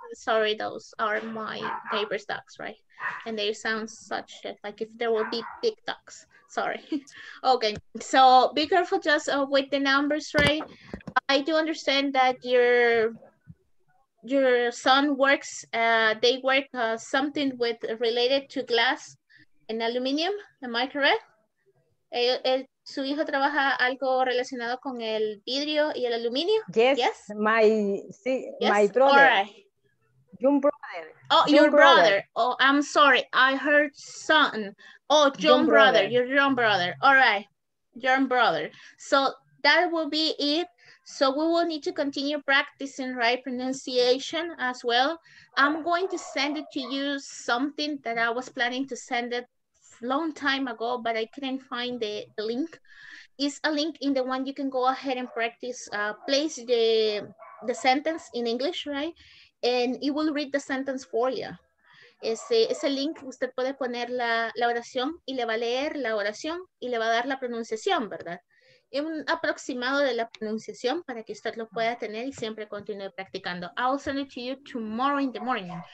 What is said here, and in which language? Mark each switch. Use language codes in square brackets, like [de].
[en] Sorry, those are my neighbor's ducks, right? And they sound such shit, like if there will be big ducks. Sorry. Okay. So be careful just with the numbers, right? I do understand that your son works, they work something with related to glass and aluminium, am I correct? [es] Su hijo trabaja algo relacionado con el vidrio y el aluminio? [en] Yes. My brother. All right. Your brother. Oh, I'm sorry. I heard son. Oh, your brother. All right. Your brother. So that will be it. So we will need to continue practicing, right, pronunciation as well. I'm going to send it to you something that I was planning to send it long time ago, but I couldn't find the link. It's a link in the one you can go ahead and practice, place the sentence in English, right? And it will read the sentence for you. [es] Ese link, usted puede poner la oración y le va a leer la oración y le va a dar la pronunciación, ¿verdad? Un aproximado de la pronunciación para que usted lo pueda tener y siempre continúe practicando. [en] I'll send it to you tomorrow in the morning.